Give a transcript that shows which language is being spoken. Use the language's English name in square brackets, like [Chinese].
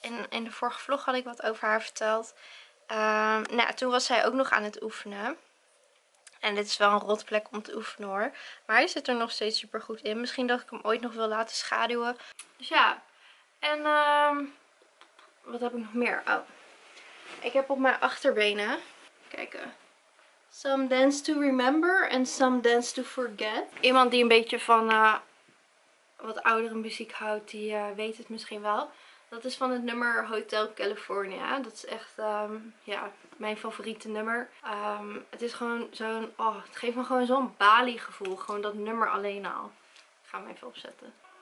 [Dutch] In de vorige vlog had ik wat over haar verteld. Nou, toen was zij ook nog aan het oefenen. En dit is wel een rot plek om te oefenen hoor. Maar hij zit er nog steeds super goed in. Misschien dat ik hem ooit nog wil laten schaduwen. Dus ja. En wat heb ik nog meer? Oh. Ik heb op mijn achterbenen. Kijken. [English] Some dance to remember and some dance to forget. [Dutch] Iemand die een beetje van wat oudere muziek houdt, die weet het misschien wel. Dat is van het nummer Hotel California. Dat is echt ja, mijn favoriete nummer. Het is gewoon zo'n... Oh, het geeft me gewoon zo'n Bali gevoel. Gewoon dat nummer alleen al. Ik ga hem even opzetten.